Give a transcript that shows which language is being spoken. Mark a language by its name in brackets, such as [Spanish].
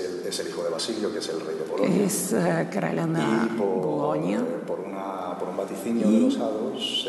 [Spanish] es el hijo de Basilio, que es el rey de Bolonia. Es [Bulgarian] краля на Болония. [Spanish] Por un vaticinio de los hados.